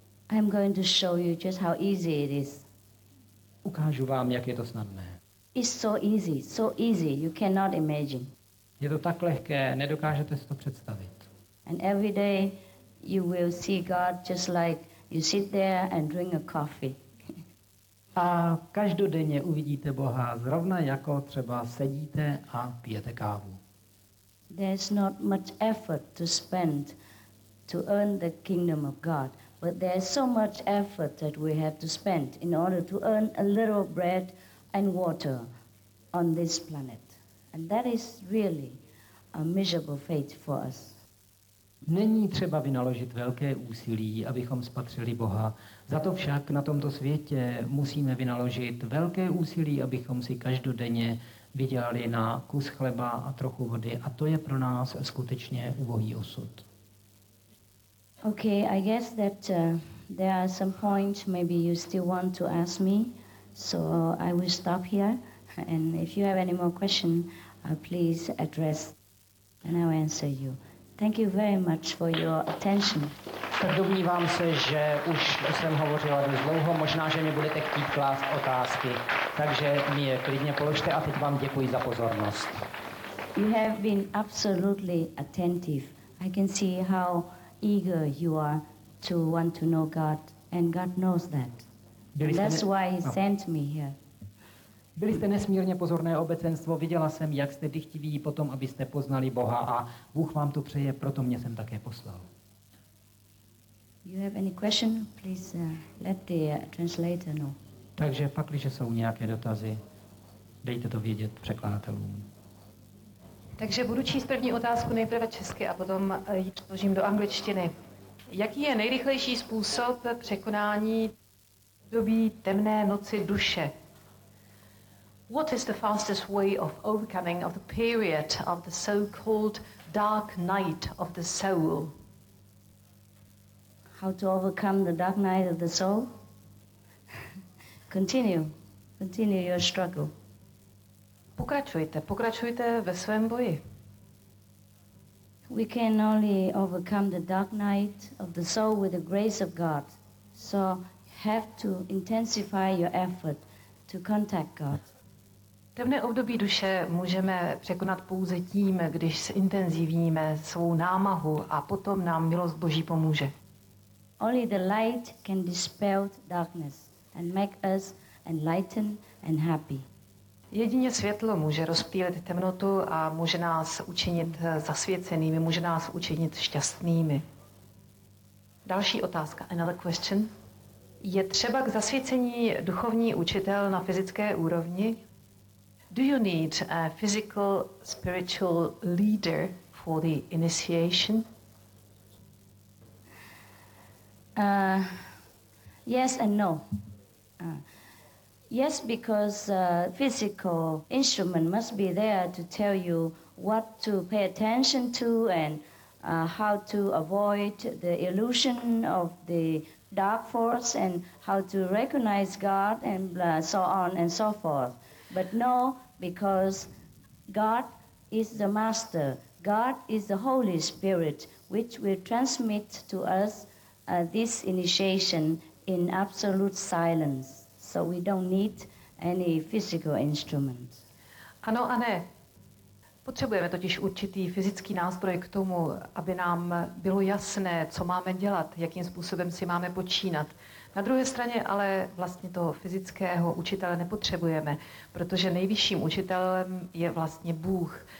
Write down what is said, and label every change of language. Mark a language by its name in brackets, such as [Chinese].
[English] I'm going to show you just how easy it is. [Czech] Ukážu vám, jak je to snadné. [English] It's so easy, you cannot imagine. [Czech] Je to tak lehké, nedokážete si to představit. [English] And every day you will see God just like you sit there and drink a coffee. [Czech] A každodenně uvidíte Boha zrovna jako třeba sedíte a pijete kávu. [English] There's not much effort to spend to earn the kingdom of God, but there's so much effort that we have to spend in order to earn a little bread and water on this planet. And that is really a miserable fate for us. [Czech] Není třeba vynaložit velké úsilí, abychom spatřili Boha. Za to však na tomto světě musíme vynaložit velké úsilí, abychom si každodenně vydělali na kus chleba a trochu vody. A to je pro nás skutečně ubohý osud. [English] Okay, I guess that there are some points maybe you still want to ask me. So I will stop here. And if you have any more questions, please address and I will answer you. Thank you very much for your attention. [Czech] Tak domnívám se, že už jsem hovořila dost dlouho, možná, že mi budete chtít klást otázky. Takže mi je klidně položte a teď vám děkuji za pozornost. [English] You have been absolutely attentive. I can see how eager you are to want to know God, and God knows that. That's why he sent me here. [Czech] Byli jste nesmírně pozorné obecenstvo, viděla jsem, jak jste dychtiví potom, abyste poznali Boha a Bůh vám to přeje, proto mě jsem také poslal. [English] You have any question? Please let the translator know. [Czech] Takže pak, když jsou nějaké dotazy, dejte to vědět překladatelům. Takže budu číst první otázku nejprve česky a potom ji přeložím do angličtiny. Jaký je nejrychlejší způsob překonání doby temné noci duše? [English] What is the fastest way of overcoming of the period of the so-called dark night of the soul? How to overcome the dark night of the soul? Continue your struggle. [Czech] Pokračujte ve svém boji. [English] We can only overcome the dark night of the soul with the grace of God. So you have to intensify your effort to contact God. [Czech] Temné období duše můžeme překonat pouze tím, když zintenzivníme svou námahu a potom nám milost Boží pomůže. [English] Only the light can dispel darkness and make us enlightened and happy. [Czech] Jedině světlo může rozptýlit temnotu a může nás učinit zasvěcenými, může nás učinit šťastnými. Další otázka, [English] another question. [Czech] Je třeba k zasvěcení duchovní učitel na fyzické úrovni? [English] Do you need a physical spiritual leader for the initiation? Yes and no. Yes, because physical instrument must be there to tell you what to pay attention to and how to avoid the illusion of the dark force and how to recognize God and so on and so forth. But no, because God is the master. God is the Holy Spirit, which will transmit to us this initiation in absolute silence. So we don't need any physical instrument. [Czech] Ano a ne. Potřebujeme totiž určitý fyzický nástroj k tomu, aby nám bylo jasné, co máme dělat, jakým způsobem si máme počínat. Na druhé straně ale vlastně toho fyzického učitele nepotřebujeme, protože nejvyšším učitelem je vlastně Bůh.